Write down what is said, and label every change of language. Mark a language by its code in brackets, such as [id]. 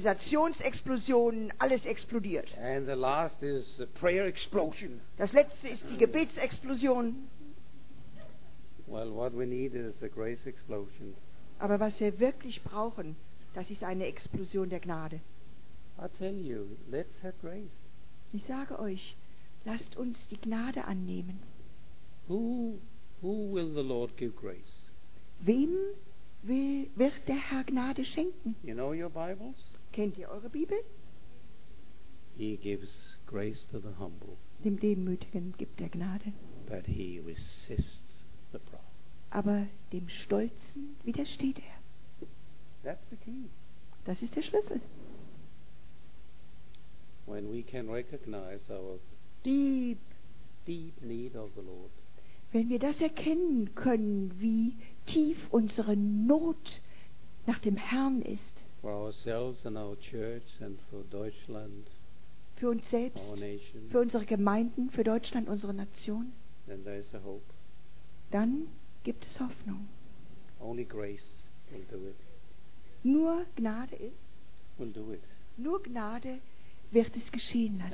[de] Evangelisationsexplosionen, alles explodiert. [en] And the last is the prayer explosion. [de] Das letzte ist die Gebetsexplosion. [en] Well, what we need is a grace explosion. [de] Aber was wir wirklich brauchen, das ist eine Explosion der Gnade. [en] I tell you, let's have grace. [de] Ich sage euch, lasst uns die Gnade annehmen. [en] Who will the Lord give grace? [de] Wem wird der Herr Gnade schenken? [en] You know your Bibles? [de] Kennt ihr eure Bibel? [en] He gives grace to the humble. [de] Dem Demütigen gibt er Gnade. [en] But he resists the proud. [de] Aber dem Stolzen widersteht er. [en] That's the key. [de] Das ist der Schlüssel. [en] When we can recognize our deep, deep need of the Lord. [de] Wenn wir das erkennen können, wie tief unsere Not nach dem Herrn ist. [en] For ourselves and our church and for Deutschland. [de] Für uns selbst, [en] our nation, [de] für unsere Gemeinden, für Deutschland, unsere Nation. [en] Then there is a hope. [de] Dann gibt es Hoffnung. [en] Only grace will do it. [de] Nur Gnade ist. [en] Will do it. [de] Nur Gnade wird es geschehen lassen.